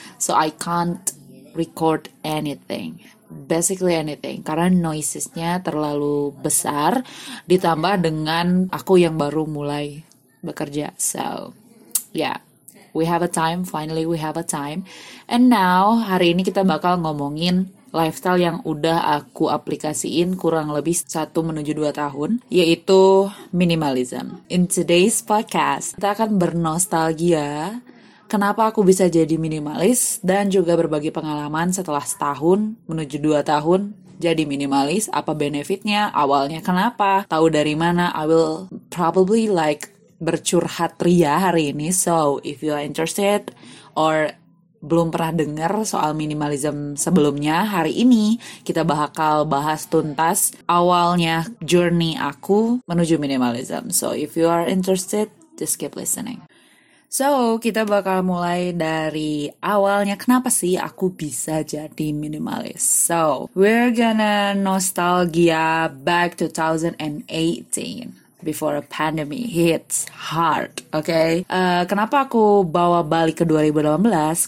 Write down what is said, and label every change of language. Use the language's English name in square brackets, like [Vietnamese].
[English] So I can't record anything. Basically anything, [Indonesian] karena noises-nya terlalu besar, ditambah dengan aku yang baru mulai bekerja. [English] So, yeah, we have a time, finally we have a time. And now, [Indonesian] hari ini kita bakal ngomongin lifestyle yang udah aku aplikasiin kurang lebih 1 menuju 2 tahun, yaitu minimalism. [English] In today's podcast, [Indonesian] kita akan bernostalgia. Kenapa aku bisa jadi minimalis dan juga berbagi pengalaman setelah setahun menuju 2 tahun jadi minimalis. Apa benefitnya? Awalnya kenapa? Tahu dari mana? [English] I will probably like [Indonesian] bercurhat ria hari ini. [English] So, if you are interested [Indonesian] or belum pernah dengar soal minimalism sebelumnya, hari ini kita bakal bahas tuntas awalnya journey aku menuju minimalism. [English] So, if you are interested, just keep listening. [Indonesian] So, kita bakal mulai dari awalnya, kenapa sih aku bisa jadi minimalis? [English] So, we're gonna nostalgia back 2018, before a pandemic hits hard, okay? [Indonesian] Kenapa aku bawa balik ke 2018?